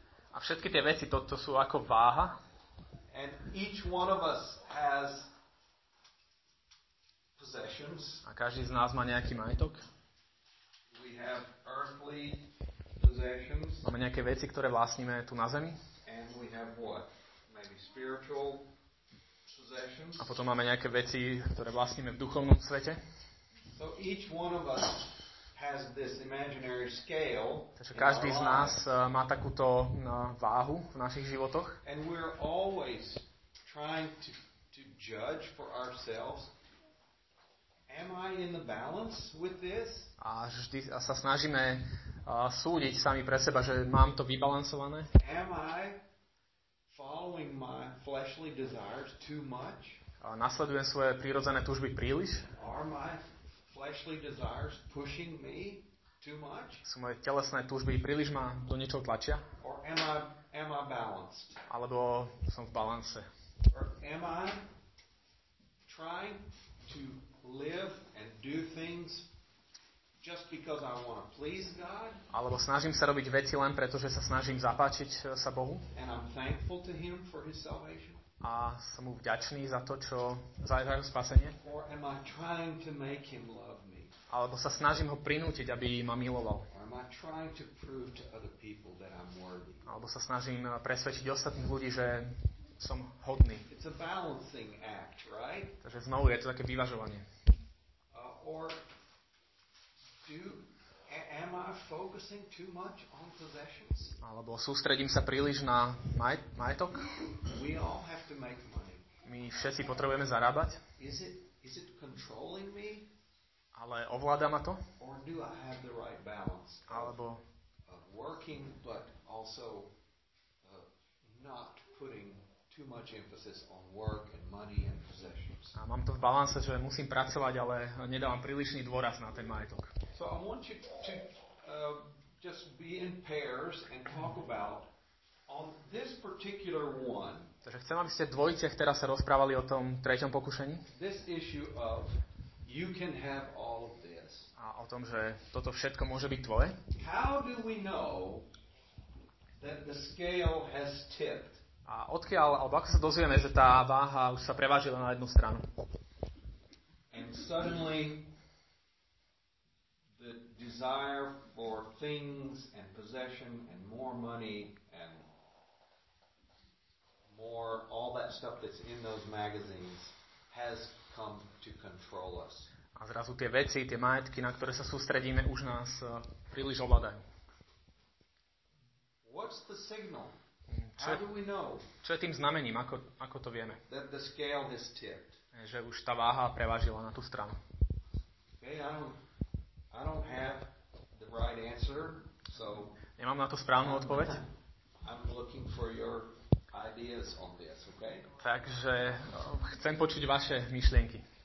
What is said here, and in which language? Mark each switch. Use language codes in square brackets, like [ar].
[sk] A všetky tie veci, to sú ako váha. [en] And each one of us has possessions. [sk] A každý z nás má nejaký majetok. [en] We have earthly possessions. [sk] Máme nejaké veci, ktoré vlastníme tu na zemi. [en] And we have what? Maybe spiritual possessions. [sk] A potom máme nejaké veci, ktoré vlastníme v duchovnom svete. [en] So each one of us has this imaginary scale. [sk] Takže každý z nás má takúto váhu v našich životoch. [en] And we're always trying to judge for ourselves. Am I in the balance with this? [sk] A vždy sa snažíme súdiť sami pre seba, že mám to vybalansované. [en] Am I following my fleshly desires too much? [sk] Nasledujem svoje prirodzené túžby príliš? [en] Are my fleshly desires pushing me too much? [sk] Sú moje telesné túžby príliš ma do niečoho tlačia? [en] Or am I balanced? [sk] Alebo som v balance? [en] Or am I trying to live and do things just because I want to please God? [sk] Alebo snažím sa robiť veci len preto, že sa snažím zapáčiť sa Bohu? [en] And I'm thankful to him for his salvation? [sk] A som mu vďačný za to, čo za jeho spasenie? [en] Or am I trying to make him love me? [sk] Alebo sa snažím ho prinútiť, aby ma miloval? [en] Or am I trying to prove to other people that I'm worthy? [sk] Alebo sa snažím presvedčiť ostatných ľudí, že som hodný? [en] It's a balancing act, right? [sk] Takže znovu je to také vyvažovanie. [en] Am I focusing too much on possessions? [sk] Alebo sústredím sa príliš na majetok? [en] We all have to make money. [sk] My všetci potrebujeme zarábať? [en] Is it controlling me? [sk] Ale ovláda ma to? [en] Or do I have the right balance? [sk] Alebo [en] working but also not putting too much emphasis on work and money and possessions. [sk] A mám to v balance, že musím pracovať, ale nedávam prílišný dôraz na ten majetok. [en] So I want you to just be in pairs and talk about on this particular one. [sk] Takže chcem, aby ste dvojice, ktorá sa rozprávali o tom treťom pokušení. [en] This issue of you can have all of this. [sk] A o tom, že toto všetko môže byť tvoje. [en] How do we know that the scale has tipped? [sk] A odkiaľ, alebo ako sa dozvieme, že tá váha už sa prevážila na jednu stranu? [en] And suddenly the desire for things and possession and more money and more all that stuff that's in those magazines has come to control us. [sk] A zrazu tie veci, tie majetky, na ktoré sa sústredíme, už nás príliš ovládajú. [en] What's the signal? How do we know? [sk] Čo je tým znamením, ako to vieme? [en] That the scale has tipped. [sk] Že už tá váha prevážila na tú stranu. [en] Okay, I don't have the right answer, so [sk] nemám na to správnu odpoveď. [en] I'm looking for your ideas on this, okay? [sk] Takže chcem počuť vaše myšlienky.